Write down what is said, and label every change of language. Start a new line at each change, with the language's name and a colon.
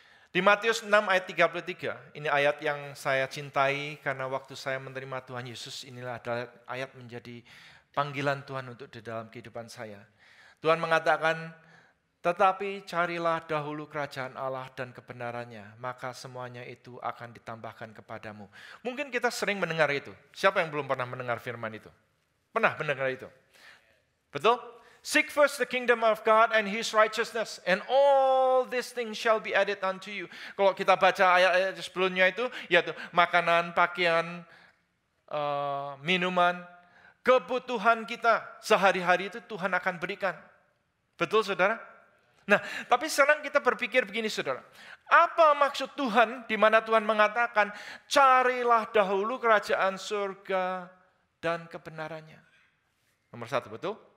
Indonesian: Di Matius 6 ayat 33, ini ayat yang saya cintai karena waktu saya menerima Tuhan Yesus, inilah adalah ayat menjadi panggilan Tuhan untuk di dalam kehidupan saya. Tuhan mengatakan, tetapi carilah dahulu kerajaan Allah dan kebenarannya, maka semuanya itu akan ditambahkan kepadamu. Mungkin kita sering mendengar itu. Siapa yang belum pernah mendengar firman itu? Pernah mendengar itu? Betul?
English: Seek first the kingdom of God and his righteousness, and all these things shall be added unto you.
Indonesian: Kalau kita baca ayat-ayat sebelumnya itu, yaitu makanan, pakaian, minuman, kebutuhan kita sehari-hari itu Tuhan akan berikan. Betul, saudara? Nah, tapi sekarang kita berpikir begini, saudara. Apa maksud Tuhan di mana Tuhan mengatakan, carilah dahulu kerajaan surga dan kebenarannya? Nomor satu, betul?